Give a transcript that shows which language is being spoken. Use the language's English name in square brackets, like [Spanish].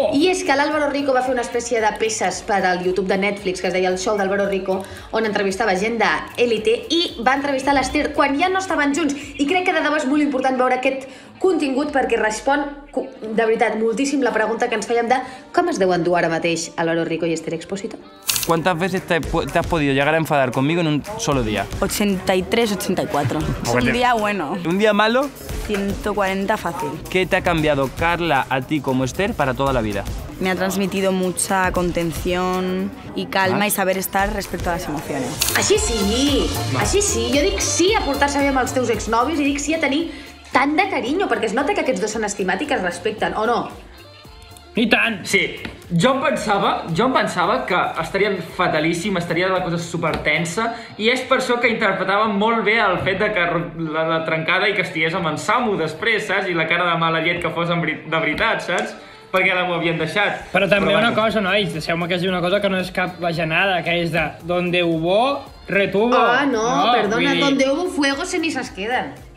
[Catalan] I és que l'Álvaro Rico va fer una espècie de peces per al YouTube de Netflix, que es deia El Show d'Álvaro Rico, on entrevistava gent d'Élite i va entrevistar l'Esther quan ja no estaven junts. I crec que de debò és molt important veure aquest contingut perquè respon, de veritat, moltíssim la pregunta que ens fèiem de com es deuen dur ara mateix Álvaro Rico i Esther Expósito. [Spanish] ¿Cuántas veces te has podido llegar a enfadar conmigo en un solo día? 83, 84. Es un día bueno. ¿Un día malo? 140 fácil. ¿Qué te ha cambiado Carla a ti como Esther para toda la vida? Me ha transmitido mucha contención y calma y saber estar respecto a las emociones. [Catalan] Així sí, així sí. Jo dic sí a portar-se bé amb els teus exnovis i dic sí a tenir tant de cariño, perquè es nota que aquests dos són estimats i que es respecten, o no? I tant! Sí. Jo em pensava que estaria fatalíssim, estaria la cosa super tensa i és per això que interpretava molt bé el fet de que la trencada i que estigués amb en Samu després, saps? I la cara de mala llet que fos de veritat, saps? Perquè ara m'ho havien deixat. Però també però, una cosa, nois, deixeu-me que és una cosa que no és cap bajanada, que és de [Spanish] donde hubo, retuvo. [Catalan] Ah, no, perdona, vull dir... [Spanish] donde hubo fuego, cenizas quedan.